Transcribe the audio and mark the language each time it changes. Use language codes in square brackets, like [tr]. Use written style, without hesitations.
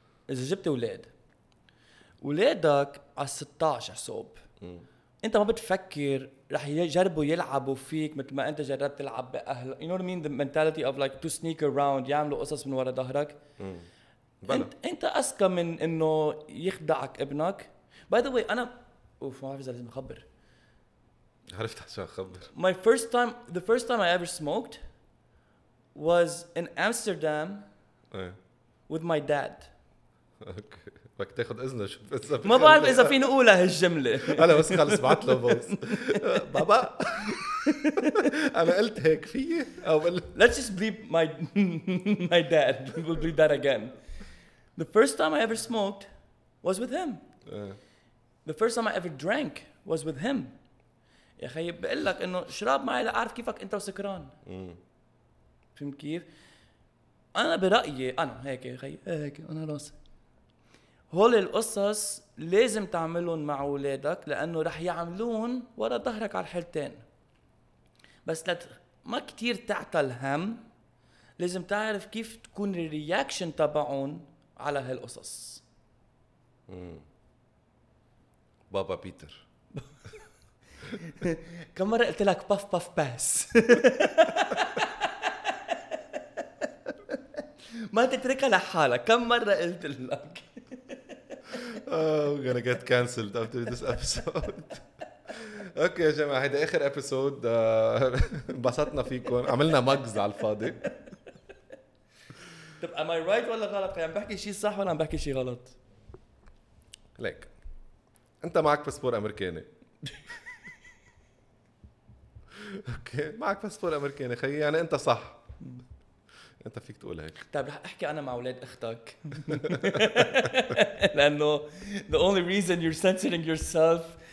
[ar] اذا جبت اولادك على 16 صوب انت ما بتفكر رح يجربوا يلعبوا فيك مثل ما انت جربت تلعب باهل [en] you know what I mean the mentality of like to sneak around [ar] يعملوا قصص من ورا ظهرك انت اسكى من انه يخدعك ابنك [en] by the way [ar] انا اوف ما عارف اذا لازم اخبر عرفت عشان أخبر. [en] My first time, the first time I ever smoked was in Amsterdam with my dad. [ar] Okay. بدك تاخذ إذن شوف إذا ما بعرف إذا فين أقول هالجملة. أنا بس خلص بعت له بوس. بابا أنا قلت هيك فيه أو قلت. [en] Let's just bleep my dad. We'll bleep that again. The first time I ever smoked was with him. The first time I ever drank was with him. [ar] يا خي بقول لك إنه شرب معي لأعرف كيفك أنت وسكران. فهم كيف؟ أنا برأيي أنا هيك يا خي هيك أنا راسي. هول القصص لازم تعملون مع أولادك لأنه رح يعملون ورا ظهرك على الحالتين. بس لا ما كتير تعطل هم. لازم تعرف كيف تكون الرياكشن تبعون على هالقصص. بابا بيتر. كم مرة قلت لك باف باف باس؟ ما تتركها لحالك. كم مرة قلت لك؟ [en] We're gonna get cancelled after this episode. [ar] Okay, يا جماعة هذا آخر episode. انبسطنا فيكم. عملنا مجز على الفاضي. طب [en] am I right [ar] ولا غلط؟ عم بحكي شيء صح ولا عم بحكي شيء غلط؟ ليك انت معك باسبور امريكاني. اوكي معك باسبور امريكاني خي يعني انت صح. انت فيك تقول هيك. طيب رح احكي انا مع اولاد اختك. لانه [en] the only reason you're censoring yourself.